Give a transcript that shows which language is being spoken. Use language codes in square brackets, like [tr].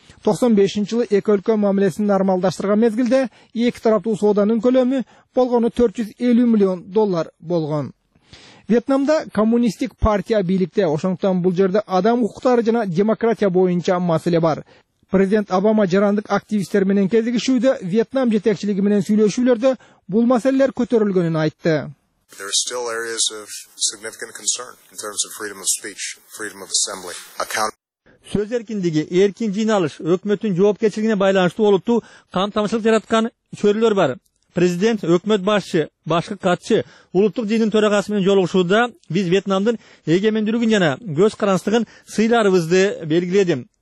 [ky] 95 жылы эки өлкө мамилесин нормалдаштырган мезгилде эки тараптуу сооданын көлөмү болгону 450 миллион доллар болгон. Вьетнамда коммунисттик партия бийликте, ошондуктан бул жерде адам укуктары жана демократия боюнча маселе бар. Президент Обама жарандык активисттер менен кезигишүүдө Вьетнам жетекчилиги менен сүйлөшүүлөрдө бул маселелер көтөрүлгөнүн айтты. [en] There are still areas of significant concern in terms of freedom of speech, freedom of assembly. [ky] Сөз эркиндиги, эркин жыйналыш, өкмөттүн жоопкерчилигине байланыштуу олуттуу камтамышчылык жараткан чөйрөлөр бар. президент, өкмөт башчы, башкы катчы, улуттук диндин төрагасы менен жолугушууда биз Вьетнамдын эгемендүүлүгүн жана көз карандыгын сыйларыбызды белгиледим.